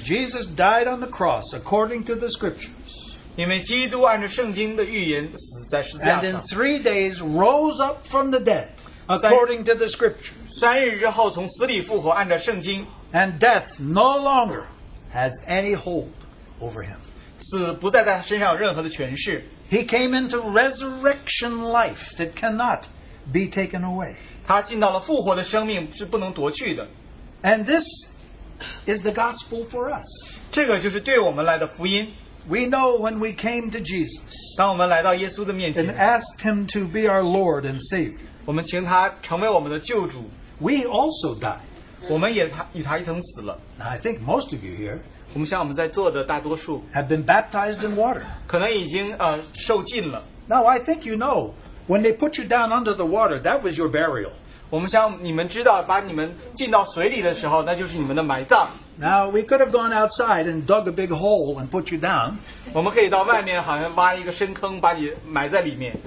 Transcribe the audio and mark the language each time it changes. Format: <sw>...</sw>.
<en>Jesus died on the cross according to the scriptures.</en> <zh>因为基督按照圣经的预言死在十字架上。</zh> <en>And in 3 days rose up from the dead according to the scriptures.</en> <zh>3日之后从死里复活按照圣经。</zh> <en>And death no longer has any hold over him. He came into resurrection life that cannot be taken away. And this is the gospel for us. We know when we came to Jesus and asked him to be our Lord and Savior, we also died.</en> <zh>我们也与他一同死了。</zh> <en>I think most of you here,</en> <zh>我们像我们在座的大多数,</zh> <en>have been baptized in water.</en> <zh>可能已经, 受浸了。</zh> <en>Now I think you know, when they put you down under the water, that was your burial.</en> <zh>我们像你们知道, 把你们浸到水里的时候, 那就是你们的埋葬。</zh> <en>Now we could have gone outside and dug a big hole and put you down.</en> <zh>我们可以到外面好像挖一个深坑, 把你埋在里面。</zh>